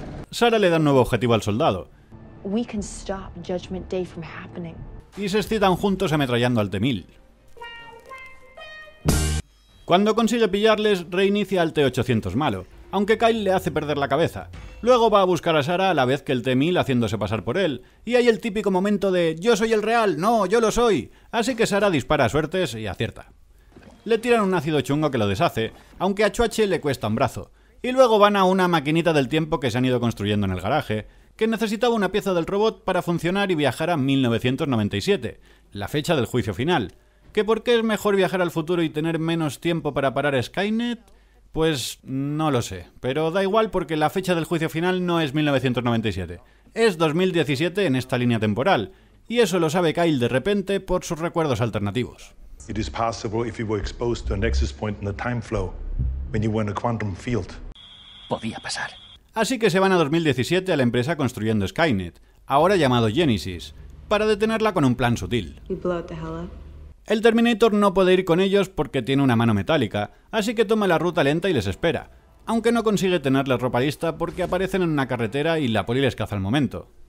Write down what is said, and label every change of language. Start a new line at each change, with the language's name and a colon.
Spanish: Sarah le da un nuevo objetivo al soldado.
English: We can stop Judgment Day from happening.
Spanish: Y se excitan juntos ametrallando al T-1000. Cuando consigue pillarles, reinicia al T-800 malo, aunque Kyle le hace perder la cabeza. Luego va a buscar a Sarah a la vez que el T-1000 haciéndose pasar por él, y hay el típico momento de «¡Yo soy el real! ¡No, yo lo soy!», así que Sarah dispara a suertes y acierta. Le tiran un ácido chungo que lo deshace, aunque a Chuache le cuesta un brazo, y luego van a una maquinita del tiempo que se han ido construyendo en el garaje, que necesitaba una pieza del robot para funcionar y viajar a 1997, la fecha del juicio final. ¿Que por qué es mejor viajar al futuro y tener menos tiempo para parar Skynet? Pues no lo sé, pero da igual porque la fecha del juicio final no es 1997. Es 2017 en esta línea temporal, y eso lo sabe Kyle de repente por sus recuerdos alternativos.
English: It is possible if you were exposed to a nexus point in the time flow when you were in a quantum field.
Spanish: Podía pasar. Así que se van a 2017 a la empresa construyendo Skynet, ahora llamado Genisys, para detenerla con un plan sutil. El Terminator no puede ir con ellos porque tiene una mano metálica, así que toma la ruta lenta y les espera, aunque no consigue tener la ropa lista porque aparecen en una carretera y la poli les caza al momento.